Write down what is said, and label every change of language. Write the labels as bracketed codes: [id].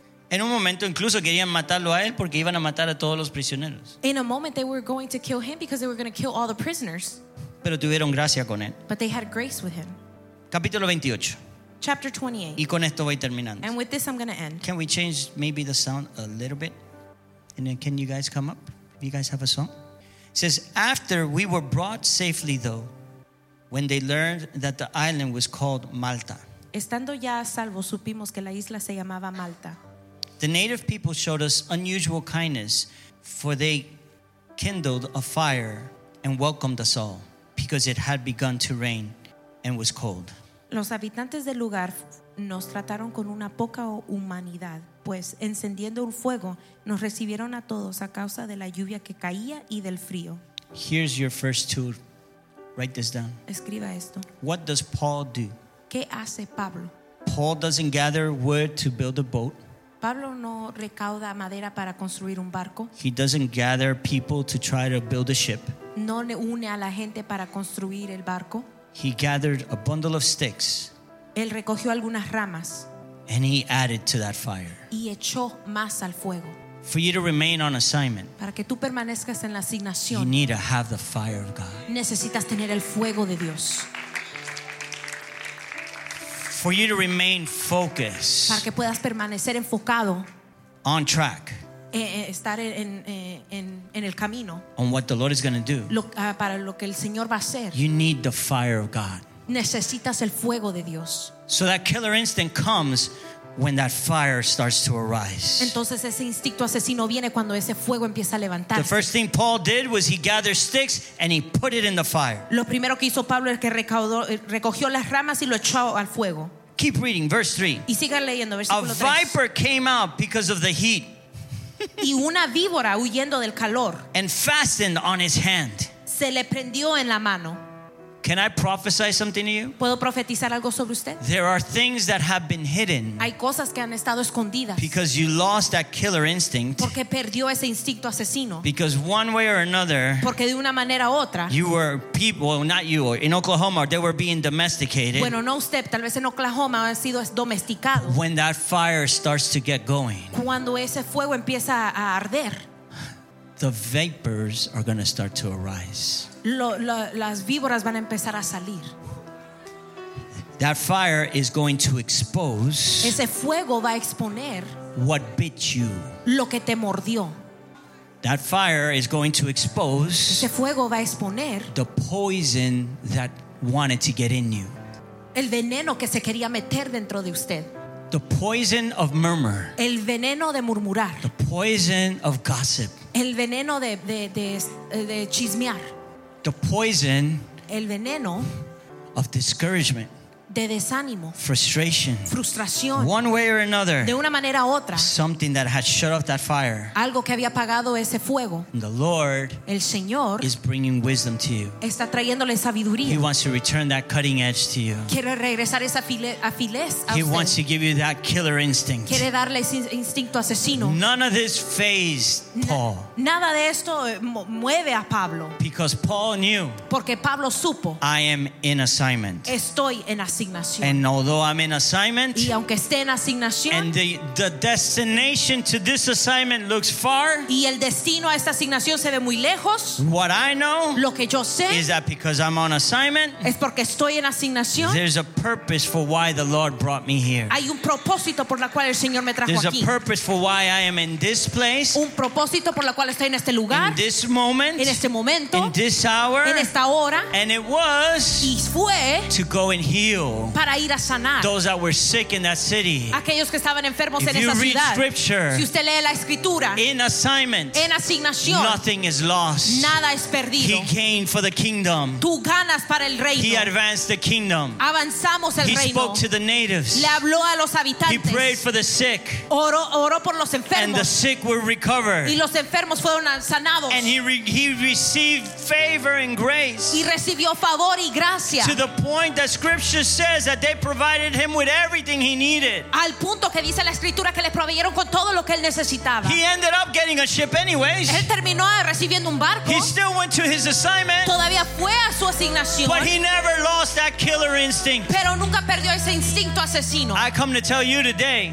[es] En un momento incluso querían matarlo a él porque iban a matar a todos los prisioneros. [en] In a moment they were going to kill him because they were going to kill all the prisoners. [es] Pero tuvieron gracia con él. [en] But they had grace with him. [es] Capítulo 28. [en] Chapter 28. [es] Y con esto voy terminando. [en] And with this I'm going to end. Can we change maybe the sound a little bit? And then can you guys come up? You guys have a song? It says, after we were brought safely though, when they learned that the island was called Malta. [es] Estando ya a salvo, supimos que la isla se llamaba Malta. [en] The native people showed us unusual kindness, for they kindled a fire and welcomed us all, because it had begun to rain and was cold. [es] Los habitantes del lugar nos trataron con una poca humanidad, pues encendiendo un fuego, nos recibieron a todos a causa de la lluvia que caía y del frío. [en] Here's your first tour. Write this down. [es] Escriba esto. [en] What does Paul do? [es] ¿Qué hace Pablo? [en] Paul doesn't gather wood to build a boat. [es] Pablo no recauda madera para construir un barco. [en] He doesn't gather people to try to build a ship. [es] No le une a la gente para construir el barco. [en] He gathered a bundle of sticks. [es] Él recogió algunas ramas. [en] And he added to that fire. [es] Y echó más al fuego. [en] For you to remain on assignment. [es] Para que tú permanezcas en la asignación. [en] You need to have the fire of God. [es] Necesitas tener el fuego de Dios. [en] For you to remain focused. [es] Para que puedas permanecer enfocado. [en] On track. [es] Estar en el camino. [en] On what the Lord is going to do. [es] Para lo que el Señor va a hacer. [en] You need the fire of God. [es] Necesitas el fuego de Dios. [en] So that killer instinct comes when that fire starts to arise. [es] Entonces ese instinto asesino viene cuando ese fuego empieza a levantarse. [en] The first thing Paul did was he gathered sticks and he put it in the fire. [es] Lo primero que hizo Pablo es que recogió las ramas y lo echó al fuego. [en] Keep reading, verse 3. [es] Y siga leyendo, versículo 3. [en] A viper came out because of the heat. [es] Y una víbora huyendo del calor. [en] And fastened on his hand. [es] Se le prendió en la mano. [en] Can I prophesy something to you? [es] ¿Puedo profetizar algo sobre usted? [en] There are things that have been hidden. [es] Hay cosas que han estado escondidas. [en] Because you lost that killer instinct. [es] Porque perdió ese instinto asesino. [en] Because one way or another. [es] Porque de una manera u otra. [en] You were people, well, not you, in Oklahoma, they were being domesticated. [es] Bueno, no usted, tal vez en Oklahoma ha sido domesticado. [en] When that fire starts to get going. [es] Cuando ese fuego empieza a arder. [en] The vapors are going to start to arise. [es] Las víboras van a empezar a salir. [en] That fire is going to expose. [es] Ese fuego va a exponer. [en] What bit you? [es] Lo que te mordió. [en] That fire is going to expose. [es] Ese fuego va a exponer. [en] The poison that wanted to get in you. [es] El veneno que se quería meter dentro de usted. [en] The poison of murmur. [es] El veneno de murmurar. [en] The poison of gossip. [es] El veneno de chismear. [en] The poison, [es] el veneno, [en] of discouragement, [es] de desánimo, [en] frustration, [es] frustración, [en] one way or another, [es] de una manera u otra, [en] something that had shut off that fire, [es] algo que había apagado ese fuego. [en] And the Lord, [es] el Señor, [en] is bringing wisdom to you. [es] Está trayéndole sabiduría. [en] He wants to return that cutting edge to you. [es] Quiere regresar esa afilez a usted. [en] He wants to give you that killer instinct. [es] Quiere darle ese instinto asesino. [en] None of this phased Paul. [es] Nada de esto mueve a Pablo. [en] Because Paul knew. [es] Porque Pablo supo. [en] I am in assignment. [es] Estoy en [en] And although I'm in assignment, [es] y aunque esté en asignación, [en] and the destination to this assignment looks far, [es] y el destino a esta asignación se ve muy lejos, [en] what I know, [es] lo que yo sé, [en] is that because I'm on assignment, [es] es porque estoy en asignación, [en] there's a purpose for why the Lord brought me here. [es] Hay un propósito por la cual el Señor me trajo [en] there's [es] aquí. [en] A purpose for why I am in this place, [es] un propósito por la cual estoy en este lugar, [en] in this moment, [es] en este momento, [en] in this hour, [es] en esta hora, [en] and it was, [es] y fue, [en] to go and heal. [es] Para ir a sanar. [en] Those that were sick in that city. [es] Aquellos que estaban enfermos [en] if [es] en esa [en] you read [es] ciudad, [en] scripture, [es] si usted lee la escritura, [en] in assignment, [es] en asignación, [en] nothing is lost. [es] Nada es perdido. [en] He came for the kingdom. [es] Tú ganas para el reino. [en] He advanced the kingdom. [es] Avanzamos el [en] he [es] reino. [en] Spoke to the natives. [es] Le habló a los habitantes. [en] He prayed for the sick. [es] Oró por los enfermos. [en] And the sick were recovered. [es] Y los enfermos fueron sanados. [en] And he received favor and grace. [es] Y recibió favor y gracia. [en] To the point that scripture says. says that they provided him with everything he needed. [es] Al punto que dice la escritura que le proveyeron con todo lo que él necesitaba. [en] He ended up getting a ship anyways. [es] Él terminó recibiendo un barco. [en] He still went to his assignment. [es] Todavía fue a su asignación. [en] But he never lost that killer instinct. [es] Pero nunca perdió ese instinto asesino. [en] I come to tell you today.